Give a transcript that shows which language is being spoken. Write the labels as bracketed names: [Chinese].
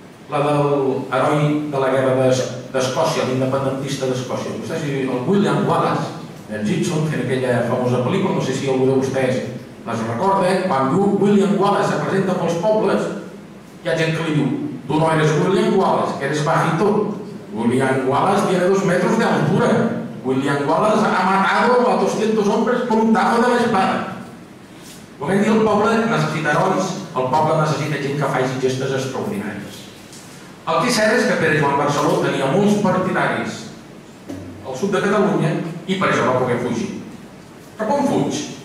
[Catalan] La del heroi de la guerra d'Escòcia, l'independentista d'Escòcia, vostè, si el William Wallace, en Gibson, en aquella famosa pel·lícula, no sé si algú de vostès les recorda, quan William Wallace se presenta pels pobles, hi ha gent que li diu, [Spanish] tu no eres William Wallace, que eres bajito. William Wallace tiene 2 metros de altura. William Wallace ha matado a 200 hombres por un tajo de l'espada. [Catalan] Com hem dit, el poble necessita herois, el poble necessita gent que faci gestes extraordinàries. El que és cert és que Pere Joan Barceló tenia molts partidaris al sud de Catalunya i per això va poder fugir. Però com fuig?